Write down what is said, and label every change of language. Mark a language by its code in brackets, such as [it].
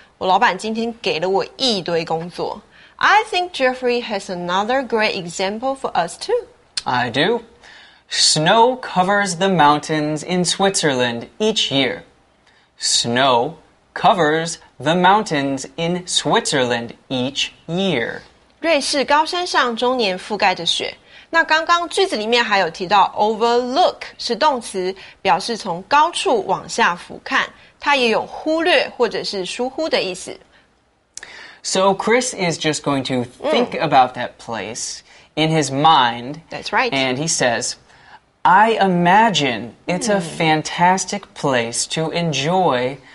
[zh] 我老板今天给了我一堆工作。 [en] I think Jeffrey has another great example for us too. I do. Snow covers the mountains in Switzerland each year. Snow covers... The mountains in Switzerland each year. [zh] 瑞士高山上终年覆盖着雪。那刚刚句子里面还有提到 overlook 是动词，表示从高处往下俯瞰，它也有忽略或者是疏忽的意思。 [en] So Chris is just going to think about that place in his mind. That's right. And he says, I imagine it's a fantastic place to enjoy...